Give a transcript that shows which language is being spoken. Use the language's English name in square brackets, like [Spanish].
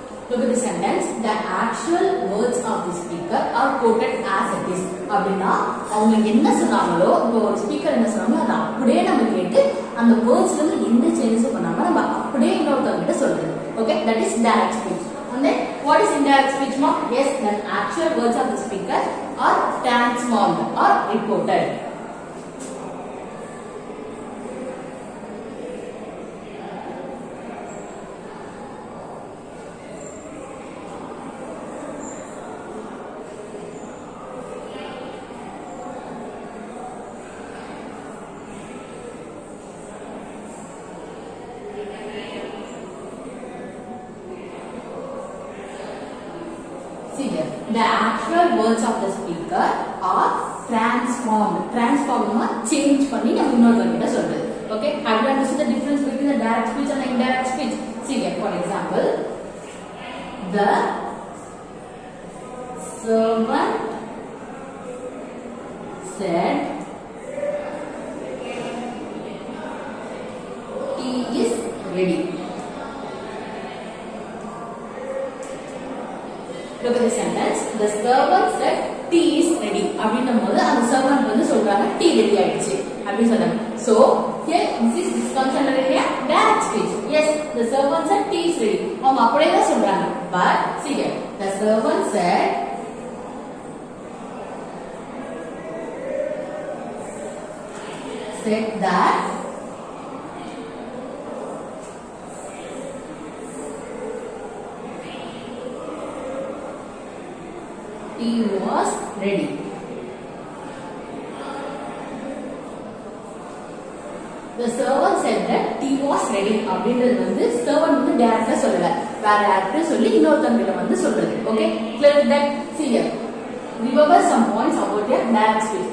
[English] to the sentence, the actual words of the speaker are quoted as it is. [Tamil] அப்படினா அவங்க என்ன சொன்னாங்களோ, இப்ப ஒரு ஸ்பீக்கர் என்ன சொன்னாங்களோ அதை அப்படியே நம்ம கேட்டு அந்த வேர்ட்ஸ்ல இருந்து என்ன சேஞ்சஸ் பண்ணாம நம்ம அப்படியே இன்னொருத்தவங்க கிட்ட சொல்றது. [English] Okay, that is direct speech. And what is indirect speech மா? Yes, the actual words of the speaker are transformed or reported. The actual words of the speaker are transformed. Transformed or change [Tamil] பண்ணி நம்ம இன்னொருத்தர்கிட்ட சொல்றது. [English] Okay, have you understood the difference between the direct speech and the indirect speech? See here, for example, the servant said tea is ready. Look at the sentence. The servant said tea is ready. [Tamil] அப்படின்னும்போது அந்த servant வந்து சொல்றாங்க tea ready ஆயிடுச்சு அப்படின்னு சொல்றாங்க. [English] So here this is this concept of direct speech. Yes, the servant said tea is ready. [Tamil] அவங்க அப்படியே தான் சொல்றாங்க. [English] But see here, the servant said that tea was ready. The servant said that tea was ready. [Tamil] அப்படின்றது வந்து servant வந்து direct ஆ சொல்லல. வேற யார்கிட்ட சொல்லி இன்னொருத்தன் கிட்ட வந்து சொல்றது. [English] Okay? Clear that? See here. Remember some points about your direct speech.